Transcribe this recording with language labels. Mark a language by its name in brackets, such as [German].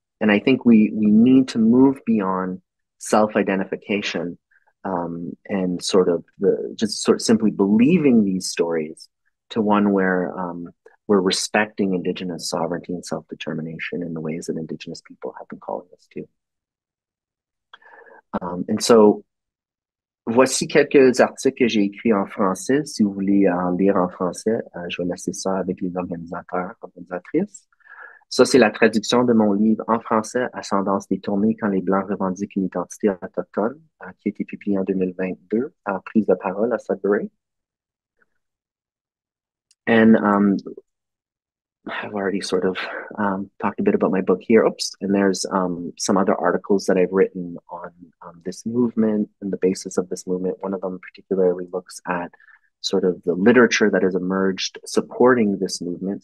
[English] And I think we need to move beyond self-identification and sort of simply believing these stories to one where we're respecting Indigenous sovereignty and self-determination in the ways that Indigenous people have been calling us to. [French] And so, voici quelques articles que j'ai écrits en français. Si vous voulez en lire en français, je vais laisser ça avec les organisateurs, organisatrices. Ça, c'est la traduction de mon livre en français, Ascendance détournée, quand les Blancs revendiquent une identité autochtone, qui a été publié en 2022, à prise de parole à Sudbury. [English] And I've already sort of talked a bit about my book here. Oops. And there's some other articles that I've written on this movement and the basis of this movement. One of them particularly looks at sort of the literature that has emerged supporting this movement.